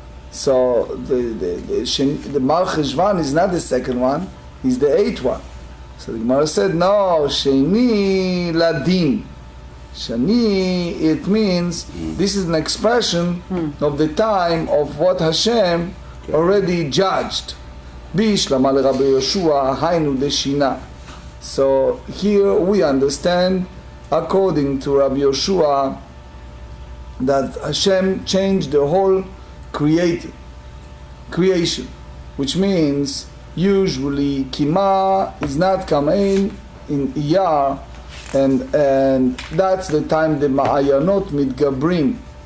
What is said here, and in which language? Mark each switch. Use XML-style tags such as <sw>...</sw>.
<en>So the Mar Cheshvan is not the second one, it's the eighth one. So the Gemara said no,</en> <he>sheni ladin sheni,</he> <en>it means this is an expression of the time of what Hashem already judged.</en> <he>בישלמה לרבי יהושע, היינו דשינה.</he> <en>So here we understand, according to Rabbi Yoshua, that Hashem changed the whole creation, which means usually kima is not coming in Iyar, and that's the time the</en> <he>ma'ayanot mitgabrim.</he>